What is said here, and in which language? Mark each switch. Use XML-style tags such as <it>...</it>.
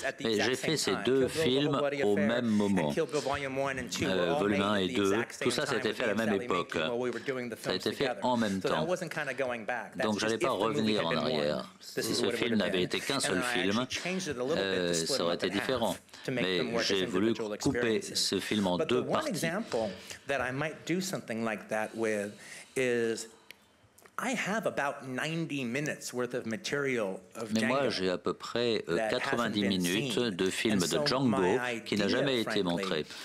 <fr>Mais j'ai fait ces deux films au même moment, volume 1 et 2. Tout ça, c'était fait à la même époque. Ça a été fait en même temps. Donc, je n'allais pas revenir en arrière. Si ce film n'avait été qu'un seul film, ça aurait été différent. Mais j'ai voulu couper ce film en deux parties.</fr> <en>Example that I might do something like that with is I have about 90 minutes worth of material of Django.</en> <fr>Mais moi, j'ai à peu près 90 minutes de films de Django qui n'a jamais été montré.</fr>